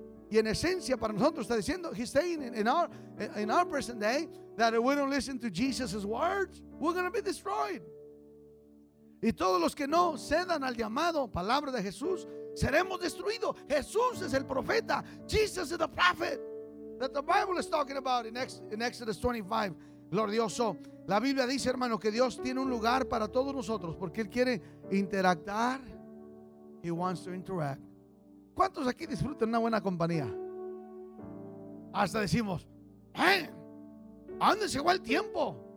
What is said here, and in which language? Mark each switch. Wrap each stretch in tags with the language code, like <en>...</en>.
<es>Y en esencia para nosotros está diciendo,</es> <en>he's saying in our present day, that if we don't listen to Jesus' words, we're going to be destroyed.</en> <es>Y todos los que no cedan al llamado, palabra de Jesús, seremos destruidos. Jesús es el profeta.</es> <en>Jesus is the prophet that the Bible is talking about in Exodus 25.</en> <es>Glorioso. La Biblia dice, hermano, que Dios tiene un lugar para todos nosotros porque Él quiere interactuar.</es> <en>He wants to interact.</en> <es>¿Cuántos aquí disfrutan una buena compañía? Hasta decimos, man, ¿a dónde se va el tiempo?</es>